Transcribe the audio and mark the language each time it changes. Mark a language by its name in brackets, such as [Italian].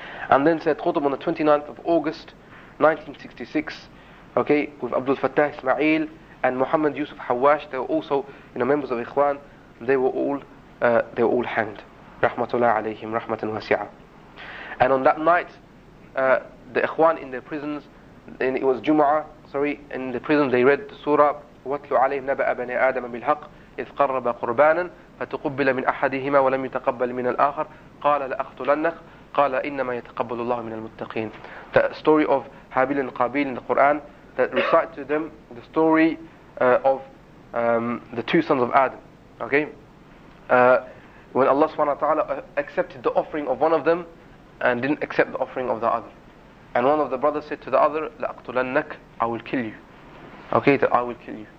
[English] And then Sayyid Qutb on the 29th of August 1966, okay, with Abdul Fattah Ismail and Muhammad Yusuf Hawash, they were also, you know, members of Ikhwan. They were all hanged, rahmatullah alayhim, rahmatan wasi'a. And on that night, the Ikhwan in the prisons, and it was Jumu'ah, sorry, in the prison they read the surah, [Arabic] وَاتْلُ عَلَيْهِمْ نَبَأَ بَنِي آدَمَ بِالْحَقِّ إِذْ قَرَّبَ قُرْبَانًا فَتُقُبِّلَ مِنْ أَحَدِهِمَا وَلَمْ يُتَقَبَّلْ مِنَ الْآخَرِ قَالَ لَأَخْتُلَنَّكَ قَالَ إِنَّمَا يَتَقَبَّلُ اللَّهُ مِنَ الْمُتَّقِينَ. [English] The story of Habil and Qabil in the Quran, that recited to them the story of the two sons of Adam. Okay? When Allah subhanahu wa ta'ala accepted the offering of one of them and didn't accept the offering of the other. And one of the brothers said to the other, [Arabic] لَأَقْتُلَنَّكَ, [English] I will kill you. Okay, that I will kill you.